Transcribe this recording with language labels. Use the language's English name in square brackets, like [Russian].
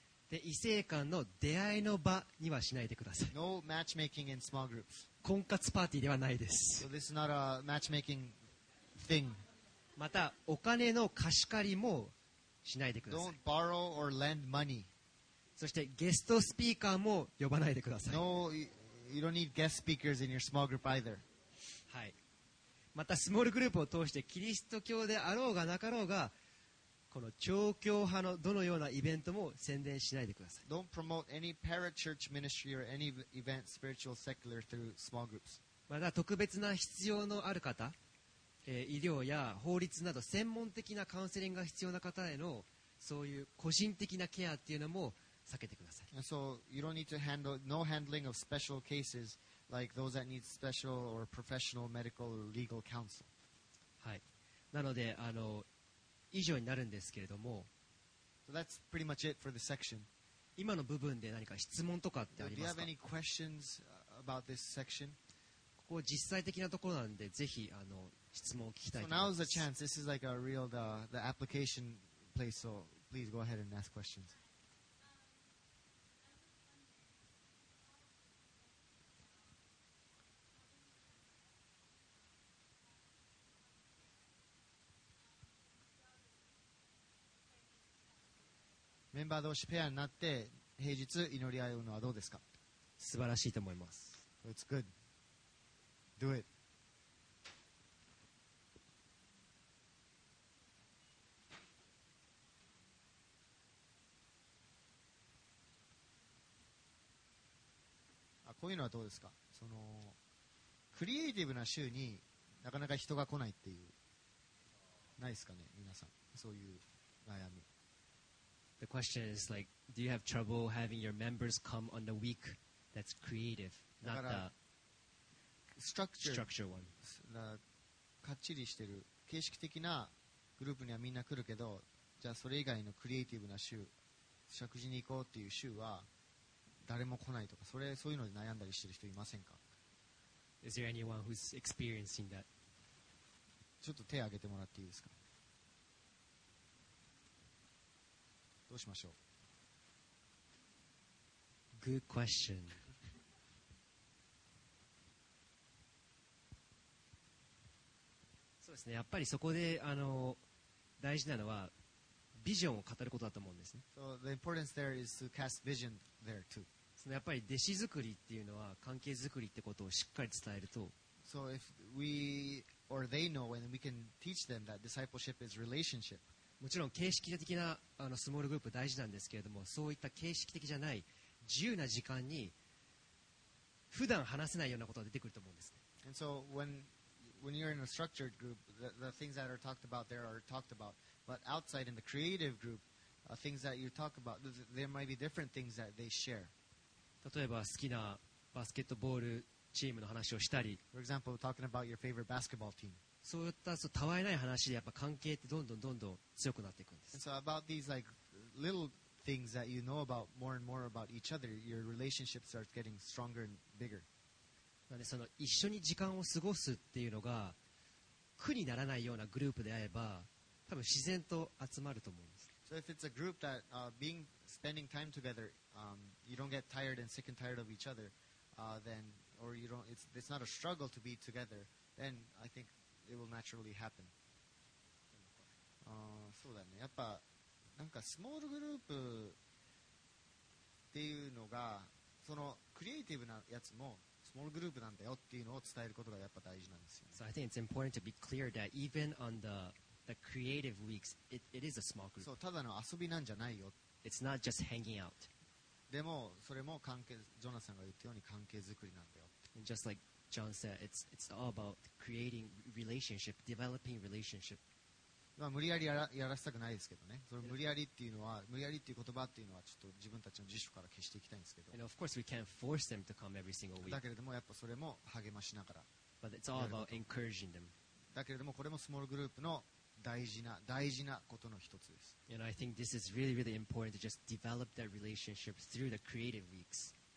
[Japanese] で異性間の出会いの場にはしないでください。 [English] No matchmaking in small groups. [Japanese] 婚活パーティーではないです。 [English] So this is not a matchmaking thing. [Japanese] またお金の貸し借りもしないでください。 [English] Don't borrow or lend money. [Japanese] そしてゲストスピーカーも呼ばないでください。 [English] No, you don't need guest speakers in your small group either. [Japanese] はい。またスモールグループを通してキリスト教であろうがなかろうがこの超教派のどのようなイベントも宣伝しないでください。 [English] Don't promote any parachurch ministry or any event spiritual secular through small groups. [Japanese] また特別な必要のある方、医療や法律など専門的なカウンセリングが必要な方へのそういう個人的なケアっていうのも避けてください。 [English] So you don't need to handle no handling of special cases like those that need special or professional medical or legal counsel. [Japanese] はい。なので以上になるんですけれども、 [English] so、that's pretty much it for the section. [Japanese] 今の部分で何か質問とかってありますか？ [English] Do you have any questions about this section? [Japanese] ここは実際的なところなんで、ぜひ質問を聞きたいと思います。 [English] So now's the chance. This is like a real the application place. So please go ahead and ask questions. [Japanese] メンバー同士ペアになって平日祈り合うのはどうですか？素晴らしいと思います。 [English] It's good. Do it. [Japanese] あ、こういうのはどうですか？そのクリエイティブな週になかなか人が来ないっていうないですかね、皆さんそういう悩み。 [English] The question is like, do you have trouble having your members come on the week that's creative, not the structure one? [Japanese] かっちりしてる形式的なグループにはみんな来るけど、じゃあそれ以外のクリエイティブな週、食事に行こうっていう週は誰も来ないとか、それそういうので悩んだりしてる人いませんか？ [English] Is there anyone who's experiencing that? [Japanese] ちょっと手を挙げてもらっていいですか？どうしましょう。 [English] Good question. [Japanese] そうですね、やっぱりそこで大事なのはビジョンを語ることだと思うんですね。 [English] So the importance there is to cast vision there too. [Japanese] そのやっぱり弟子作りっていうのは関係作りってことをしっかり伝えると、 [English] So if we or they know and we can teach them that discipleship is relationship. [Japanese] もちろん形式的なスモールグループ大事なんですけれども、そういった形式的じゃない自由な時間に普段話せないようなことが出てくると思うんですね。 [English] And so when you're in a structured group, the things that are talked about there are talked about, but outside in the creative group, things that you talk about, there might be different things that they share. [Japanese] 例えば好きなバスケットボールチームの話をしたり、 [English] For example, talking about your favorite basketball team. [Japanese] そういったたわいない話でやっぱ関係ってどんどん強くなっていくんです。 [English] And so about these like little things that you know about more and more about each other, your relationship starts getting stronger and bigger. [Japanese] なのでその一緒に時間を過ごすっていうのが苦にならないようなグループであれば多分自然と集まると思うんです。 [English] So if it's a group that being spending time together you don't get tired and sick and tired of each other then or you don't it's not a struggle to be together then I think it will naturally happen. [Japanese] そうだね。やっぱなんかスモールグループっていうのがそのクリエイティブなやつもスモールグループなんだよっていうのを伝えることがやっぱ大事なんですよ、ね。 [English] So I think it's important to be clear that even on the creative weeks, it is a small group. [Japanese] そう、ただの遊びなんじゃないよ。 [English] It's not just hanging out. [Japanese] でもそれも関係、ジョナサンが言ったように関係作りなんだよ。 [English] And、just like John said, it's all about creating relationship, developing relationship. [Japanese] まあ無理やりやらせたくないですけどね。その無理やりっていうのは、無理やりっていう言葉っていうのはちょっと自分たちの辞書から消していきたいんですけど。 [English] And of course, we can't force them to come every single week. [Japanese] だけれどもやっぱそれも励ましながら。 [English] But it's all about encouraging them. [Japanese] だけれどもこれもスモールグループの大事な大事なことの一つです。 [English] And I think this is really, really important to just develop that relationship through the creative weeks.